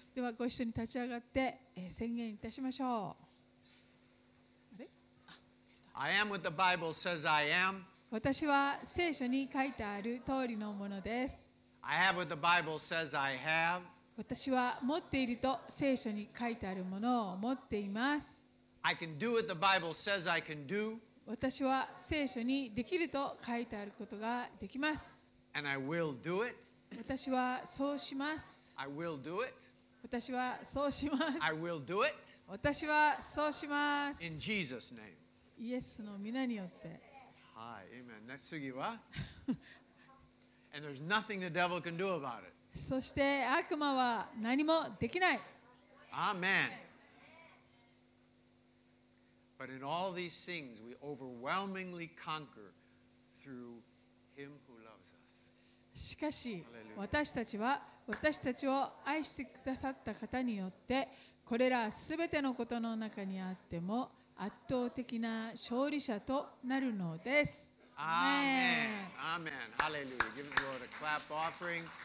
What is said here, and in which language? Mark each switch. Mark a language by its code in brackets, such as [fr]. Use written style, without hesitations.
[ja] ではご一緒に立ち上がって宣言いたしましょう。 [en] I am what the Bible says I am. [ja] 私は聖書に書いてある通りのものです。 [en] I have what the Bible says I have. [ja] 私は持っていると聖書に書いてあるものを持っています。 [en] I can do what the Bible says I can do. [ja] 私は聖書にできると書いてあることができます。 [en] And I will do it. [ja] 私はそうします。 [en] I will do it. [ja] 私はそうします。 [en] I will do it. [ja] 私はそうします。 [en] In Jesus' name. [ja] イエスの御名によって。 [en] はい、Amen。 [ja] 次は。 [en] And there's nothing the devil can do about it。 [ja] そして悪魔は何もできない。 [en] Amen。 But in all these things, we overwhelmingly conquer through Him who loves us。 [ja] しかし、私たちを愛してくださった方によって、これらすべてのことの中にあっても。圧倒的な勝利者となるのです。 [en] アーメン。アーメン。ハレルヤ。Give the Lord a clap offering.